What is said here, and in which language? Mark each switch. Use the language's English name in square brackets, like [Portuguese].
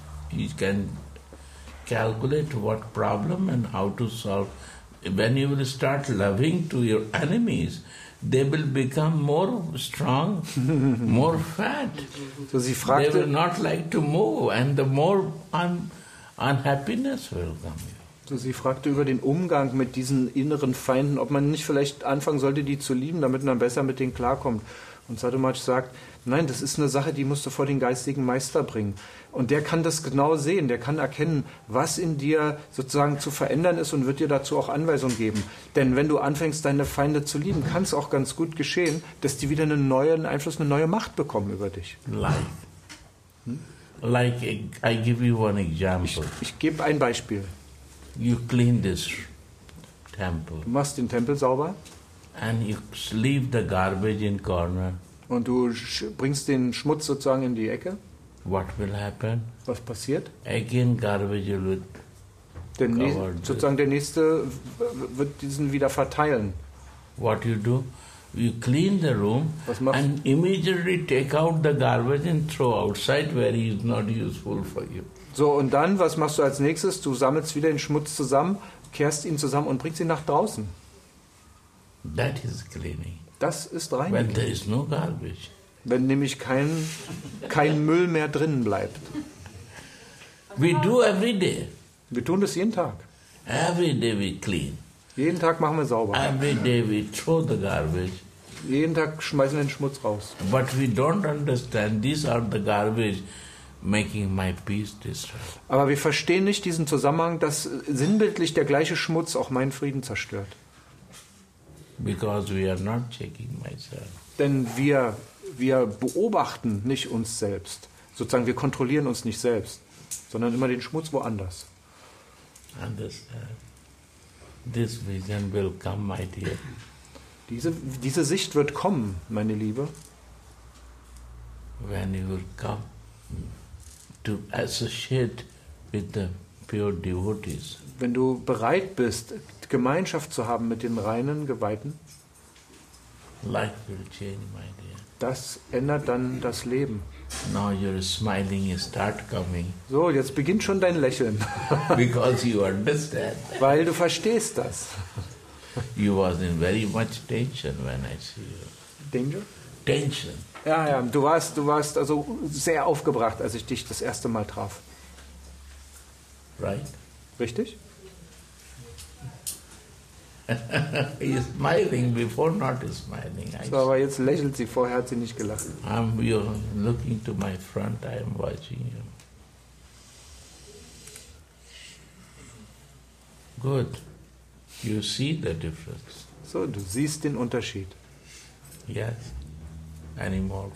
[English] He can calculate what problem and how to solve. When you will start loving to your enemies, they will become more strong, more fat. [German] So sie fragte, [English] they will not like to move, and the more unhappiness will come. [German] So sie fragte über den Umgang mit diesen inneren Feinden, ob man nicht vielleicht anfangen sollte, die zu lieben, damit man besser mit denen klarkommt. Und Sadhumach sagt, nein, das ist eine Sache, die musst du vor den geistigen Meister bringen. Und der kann das genau sehen, der kann erkennen, was in dir sozusagen zu verändern ist und wird dir dazu auch Anweisungen geben. Denn wenn du anfängst, deine Feinde zu lieben, kann es auch ganz gut geschehen, dass die wieder einen neuen Einfluss, eine neue Macht bekommen über dich. [English] Like I give you one example. [German] Ich gebe ein Beispiel. [English] You clean this temple. [German] Du machst den Tempel sauber. [English] And you leave the garbage in corner. [German] Und du bringst den Schmutz sozusagen in die Ecke. [English] What will happen? [German] Was passiert? [English] Again, garbage will [German] der sozusagen der nächste wird diesen wieder verteilen. [English] What you do? You clean the room and immediately take out the garbage and throw outside where it is not useful for you. [German] So, und dann was machst du als nächstes? Du sammelst wieder den Schmutz zusammen, kehrst ihn zusammen und bringst ihn nach draußen. [English] That is cleaning. [German] Das ist Reinigung. [English] When there is no garbage. [German] Wenn nämlich kein Müll mehr drinnen bleibt. [English] We do every day. [German] Wir tun das jeden Tag. [English] Every day we clean. [German] Jeden Tag machen wir sauber. [English] Every day we throw the garbage. [German] Jeden Tag schmeißen wir den Schmutz raus. [English] But we don't understand these are the garbage making my peace destroy. [German] Aber wir verstehen nicht diesen Zusammenhang, dass sinnbildlich der gleiche Schmutz auch meinen Frieden zerstört. [English] Because we are not checking myself. [German] Denn wir beobachten nicht uns selbst. Sozusagen, wir kontrollieren uns nicht selbst, sondern immer den Schmutz woanders. [English] Understand. This vision will come, my dear. [German] Diese Sicht wird kommen, meine Liebe. [English] When you will come to associate with the pure devotees. [German] Wenn du bereit bist, Gemeinschaft zu haben mit den reinen Geweihten, [English] life will change, my dear. [German] Das ändert dann das Leben. [English] Now your smiling start coming. [German] So, jetzt beginnt schon dein Lächeln. [English] Because you understand. [German] Weil du verstehst das. [English] You was in very much tension when I see you. Danger? Tension. [German] Ja, ja. Du warst also sehr aufgebracht, als ich dich das erste Mal traf. [English] Right? [German] Richtig? [English] He's smiling before not smiling. [German] So, aber jetzt lächelt sie, vorher hat sie nicht gelacht. [English] I'm looking to my front, I'm watching you. Good. You see the difference. [German] So, du siehst den Unterschied. [English] Yes. Any more